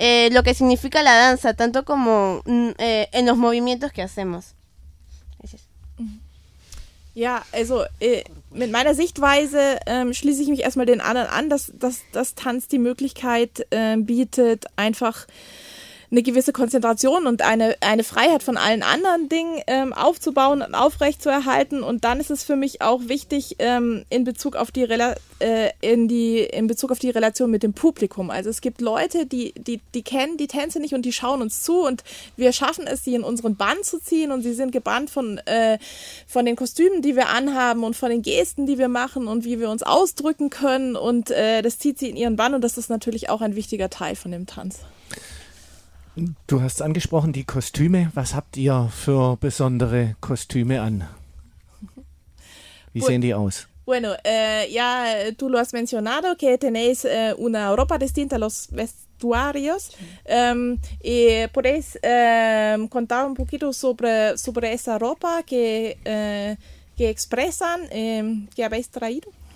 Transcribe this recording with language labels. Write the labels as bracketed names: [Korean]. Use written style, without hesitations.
[Spanish] lo que significa la danza, tanto como en los movimientos que hacemos. [German] Ja, also mit meiner Sichtweise schließe ich mich erstmal den anderen an, dass Tanz die Möglichkeit bietet, einfach eine gewisse Konzentration und eine Freiheit von allen anderen Dingen aufzubauen und aufrechtzuerhalten. Und dann ist es für mich auch wichtig in Bezug auf die Relation mit dem Publikum. Also es gibt Leute, die kennen die Tänze nicht und die schauen uns zu und wir schaffen es, sie in unseren Bann zu ziehen und sie sind gebannt von den Kostümen, die wir anhaben und von den Gesten, die wir machen und wie wir uns ausdrücken können und das zieht sie in ihren Bann und das ist natürlich auch ein wichtiger Teil von dem Tanz. Du hast angesprochen, die Kostüme. Was habt ihr für besondere Kostüme an? Wie sehen die aus? [Spanish] Bueno, ya tú lo has mencionado, que tenéis una ropa distinta a los vestuarios. Y podéis contar un poquito sobre esa ropa que expresan, que habéis traído?